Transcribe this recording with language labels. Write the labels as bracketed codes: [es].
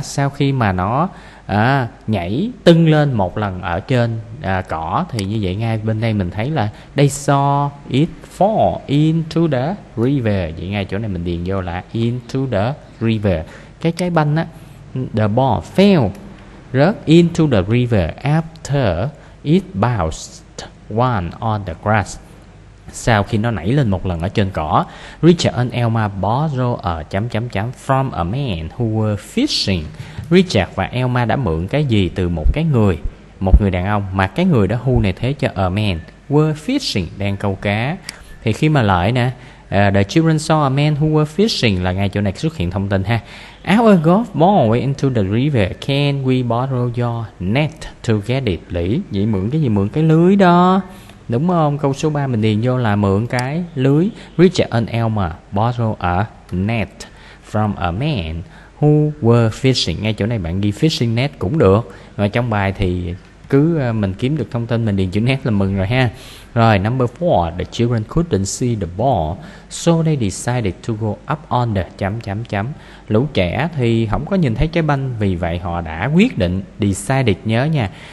[vi] Sau khi mà nó nhảy tưng lên một lần ở trên cỏ thì như vậy ngay bên đây mình thấy là [en] they saw it fall into the river. [vi] Vậy ngay chỗ này mình điền vô là [en] into the river. [vi] Cái trái banh á, [en] the ball fell, [vi] rớt [en] into the river after it bounced once on the grass, [vi] sau khi nó nảy lên một lần ở trên cỏ. [en] Richard and Elmer borrow a from a man who were fishing. [vi] Richard và Elmer đã mượn cái gì từ một cái người, một người đàn ông mà cái người đó who này thế cho a man, [en] were fishing, [vi] đang câu cá. Thì khi mà lại nè, [en] the children saw a man who were fishing [vi] là ngay chỗ này xuất hiện thông tin ha. [en] Our golf ball went into the river. Can we borrow your net to get it, Lý? [vi] Vậy mượn cái gì? Mượn cái lưới đó. Đúng không? Câu số 3 mình điền vô là mượn cái lưới. [en] Richard and Elmer borrow a net from a man who were fishing. [vi] Ngay chỗ này bạn ghi [en] fishing net [vi] cũng được. Và trong bài thì cứ mình kiếm được thông tin mình điền chữ net là mừng rồi ha. Rồi [en] number 4, the children couldn't see the ball, so they decided to go up on the [vi] Lũ trẻ thì không có nhìn thấy trái banh, vì vậy họ đã quyết định, decided, nhớ nha.